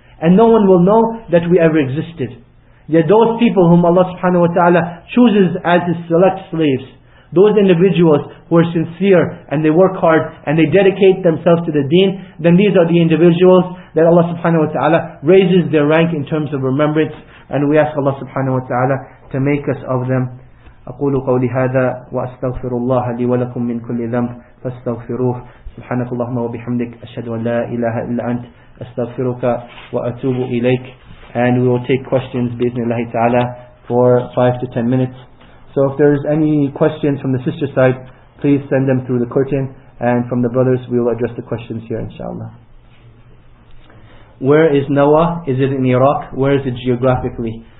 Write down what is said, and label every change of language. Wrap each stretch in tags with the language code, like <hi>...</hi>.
<en>And no one will know that we ever existed. Yet those people whom Allah subhanahu wa ta'ala chooses as his select slaves, those individuals who are sincere and they work hard and they dedicate themselves to the deen, then these are the individuals that Allah subhanahu wa ta'ala raises their rank in terms of remembrance. And we ask Allah subhanahu wa ta'ala to make us of them.</en> <ar>أقول قولي هذا وأستغفر الله لي ولكم من كل ذنب فاستغفروه سبحانك اللهم وبحمدك أشهد أن لا إله إلا أنت أستغفرك وأتوب إليك.</ar> <en>And we will take questions</en> <ar>بإذن الله تعالى</ar> <en>for 5 to 10 minutes. So if there is any questions from the sister side, please send them through the curtain, and from the brothers we will address the questions here inshallah. Where is Nawah? Is it in Iraq? Where is it geographically?</en>